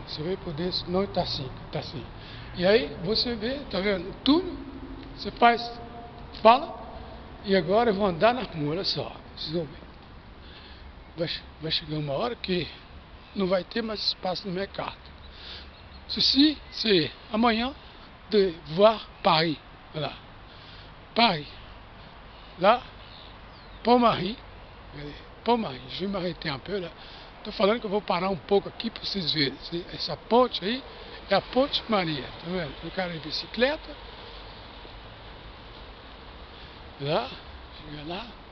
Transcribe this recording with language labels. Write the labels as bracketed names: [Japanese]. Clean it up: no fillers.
[Portuguese] Você vê por dentro, não está assim, está assim. E aí, você vê, está vendo? O túnel, você faz, fala, e agora eu vou andar na rua, olha só. Vocês vão ver. Vai chegar uma hora que. Não vai ter mais espaço no mercado. [French] Ceci, c'est un moyen de voir Paris. Voilà. Paris. Là, Pont-Marie. Regardez, Pont-Marie. Je vais m'arrêter un peu là. [Portuguese] Estou falando que eu vou parar um pouco aqui para vocês verem. Essa ponte aí é a Ponte Maria, tá vendo? O cara de bicicleta. Lá, chega lá.